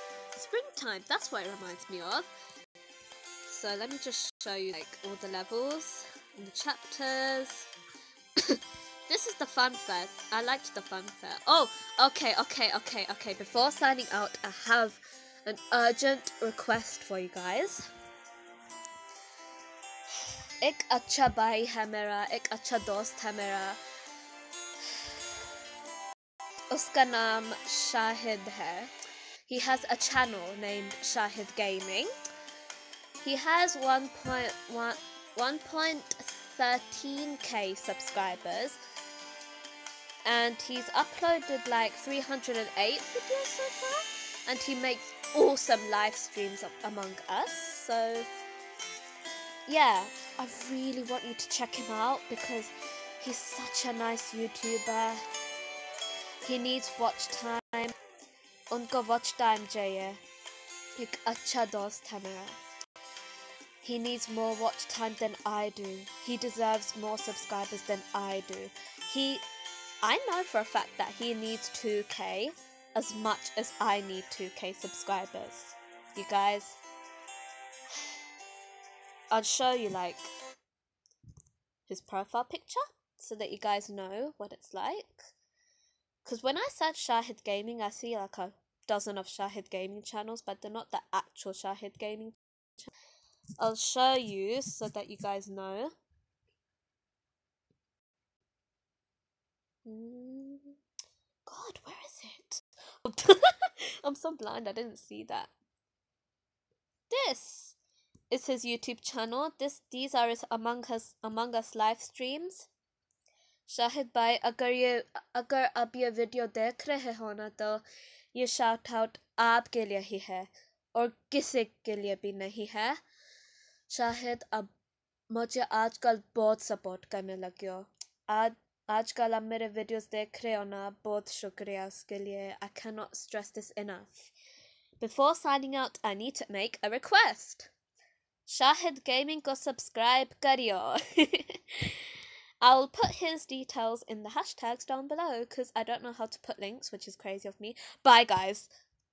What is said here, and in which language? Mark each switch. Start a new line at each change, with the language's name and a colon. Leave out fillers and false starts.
English: Springtime, that's what it reminds me of. So let me just show you like all the levels and the chapters. This is the fun fair. I liked the fun fair. Oh, okay. Before signing out, I have an urgent request for you guys.
Urdu: اک اچھا بھائی ہے میرا، اک اچھا دوست ہے میرا۔ اسکا نام شاہد ہے۔
English: He has a channel named Shahid Gaming. He has 1.13k subscribers. And he's uploaded like 308 videos so far. And he makes awesome live streams of Among Us. So yeah, I really want you to check him out because he's such a nice YouTuber. He needs watch time.
Urdu: انکو watch time چاہیے۔ ایک اچھا دوست ہے میرا۔
English: He needs more watch time than I do. He deserves more subscribers than I do. I know for a fact that he needs 2k as much as I need 2k subscribers. You guys, I'll show you like his profile picture so that you guys know what it's like. Cause when I search Shahid Gaming, I see like a dozen of Shahid Gaming channels, but they're not the actual Shahid Gaming channel. I'll show you so that you guys know. God, where is it? I'm so blind, I didn't see that. This is his YouTube channel. These are his Among Us live streams.
Urdu: شاہد بھائی، اگر آپ یہ video دیکھ رہے ہو نا تو یہ shout out آپکے لیے ہی ہے اور کسی کے لیے بھی نہیں ہے۔ شاہد اب مجھے آجکل بہت سپورٹ کرنے لگے ہو۔ آجکل آپ میرے ویڈیوز دیکھ رہے ہو نا، بہت شکریہ اسکے لیے۔
English: I cannot stress this enough. Before signing out, I need to make a request. Shahid Gaming
Urdu: ko subscribe kariyo.
English: I'll put his details in the hashtags down below because I don't know how to put links, which is crazy of me. Bye, guys.